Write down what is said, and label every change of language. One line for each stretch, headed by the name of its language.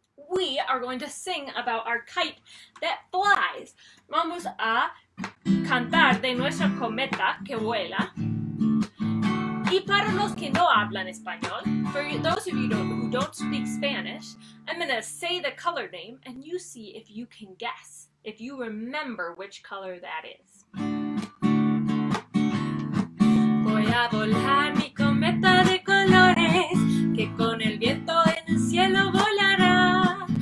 English: We are going to sing about our kite that flies.
Spanish: Vamos a cantar de nuestra cometa que vuela. Y para los que no hablan español,
English: for those of you who don't speak Spanish, I'm going to say the color name and you see if you can guess, if you remember which color that is.
Spanish: Voy a volar mi cometa de colores, que con el viento en el cielo volará.